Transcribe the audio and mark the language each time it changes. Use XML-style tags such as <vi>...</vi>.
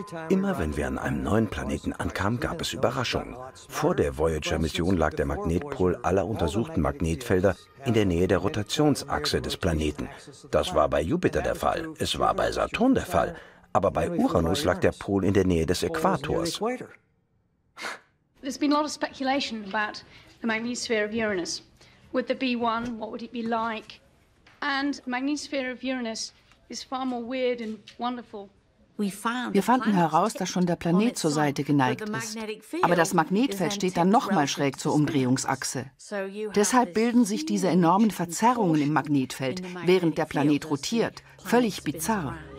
<de>Immer wenn wir an einem neuen Planeten ankamen, gab es Überraschungen. Vor der Voyager-Mission lag der Magnetpol aller untersuchten Magnetfelder in der Nähe der Rotationsachse des Planeten. Das war bei Jupiter der Fall, es war bei Saturn der Fall, aber bei Uranus lag der Pol in der Nähe des Äquators.</de> <en>There's been a lot of speculation about the magnetosphere of Uranus. Would there be one? What would it be like? And the magnetosphere of Uranus is far more weird and wonderful.</en> <de>Wir fanden heraus, dass schon der Planet zur Seite geneigt ist. Aber das Magnetfeld steht dann nochmal schräg zur Umdrehungsachse. Deshalb bilden sich diese enormen Verzerrungen im Magnetfeld, während der Planet rotiert. Völlig bizarr.</de>